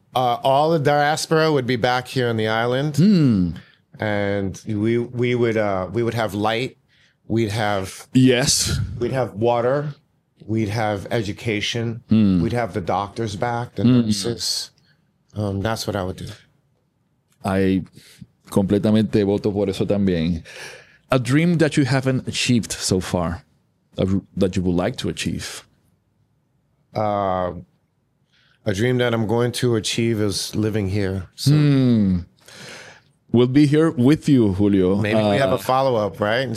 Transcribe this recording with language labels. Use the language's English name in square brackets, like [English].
[English] All the diaspora would be back here on the island. Mm. And we would have light. We'd have... Yes. We'd have water. We'd have education. Mm. We'd have the doctors back, the nurses. That's what I would do. [Spanish] Completamente voto por eso también. [English] A dream that you haven't achieved so far, that you would like to achieve? A dream that I'm going to achieve is living here. So. We'll be here with you, Julio. Maybe we have a follow-up, right?